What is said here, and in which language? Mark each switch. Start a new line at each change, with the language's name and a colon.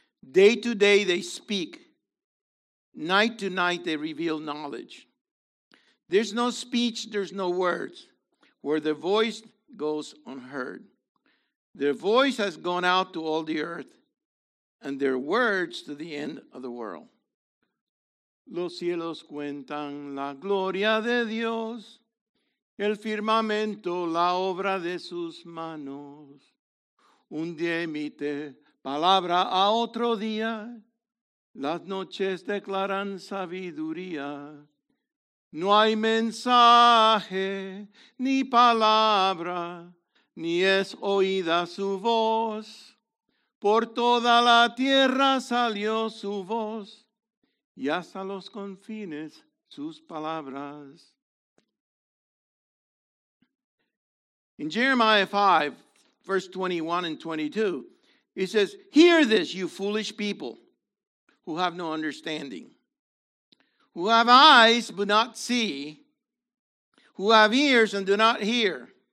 English: Day to day they speak. Night to night they reveal knowledge. There's no speech, there's no words, where their voice goes unheard. Their voice has gone out to all the earth, and their words to the end of the world.
Spanish: Los cielos cuentan la gloria de Dios. El firmamento la obra de sus manos. Un día emite palabra a otro día. Las noches declaran sabiduría. No hay mensaje ni palabra, ni es oída su voz. Por toda la tierra salió su voz, y hasta los confines sus palabras.
English: In Jeremiah 5, verse 21 and 22, it says, hear this, you foolish people who have no understanding, who have eyes but not see, who have ears and do not hear.